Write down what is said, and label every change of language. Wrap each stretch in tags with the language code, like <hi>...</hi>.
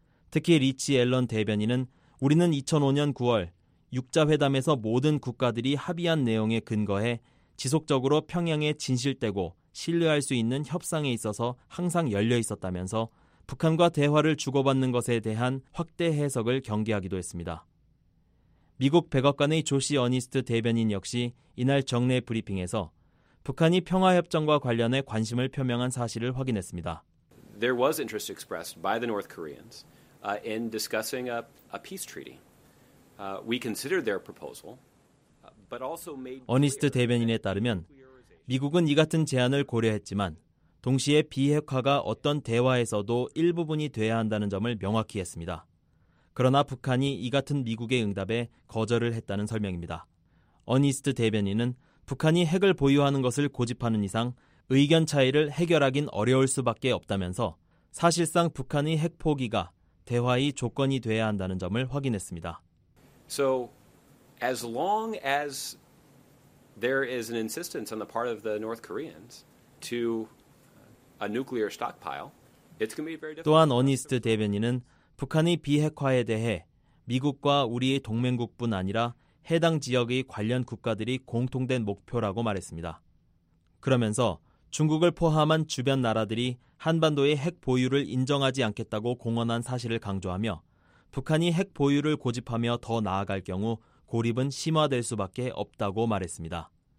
<ko>특히 리치 앨런 대변인은 우리는 2005년 9월 6자회담에서 모든 국가들이 합의한 내용에 근거해 지속적으로 평양에 진실되고 신뢰할 수 있는 협상에 있어서 항상 열려 있었다면서 북한과 대화를 주고받는 것에 대한 확대 해석을 경계하기도 했습니다. 미국 백악관의 조시 어니스트 대변인 역시 이날 정례 브리핑에서 북한이 평화협정과 관련해 관심을 표명한 사실을 확인했습니다.</ko> <en>There was interest expressed by the North Koreans in discussing a peace treaty. We considered their proposal, but also made.</en> <ko>어니스트 대변인에 따르면 미국은 이 같은 제안을 고려했지만 동시에 비핵화가 어떤 대화에서도 일부분이 돼야 한다는 점을 명확히 했습니다. 그러나 북한이 이 같은 미국의 응답에 거절을 했다는 설명입니다. 어니스트 대변인은 북한이 핵을 보유하는 것을 고집하는 이상 의견 차이를 해결하긴 어려울 수밖에 없다면서 사실상 북한의 핵 포기가 대화의 조건이 돼야 한다는 점을 확인했습니다.</ko> <en>So as long as there is an insistence on the part of the North Koreans to a nuclear stockpile, it's going to be very difficult.</en> <ko>또한 어니스트 대변인은 북한의 비핵화에 대해 미국과 우리의 동맹국뿐 아니라 해당 지역의 관련 국가들이 공통된 목표라고 말했습니다. 그러면서 중국을 포함한 주변 나라들이 한반도의 핵 보유를 인정하지 않겠다고 공언한 사실을 강조하며 북한이 핵 보유를 고집하며 더 나아갈 경우 고립은 심화될 수밖에 없다고 말했습니다.</ko>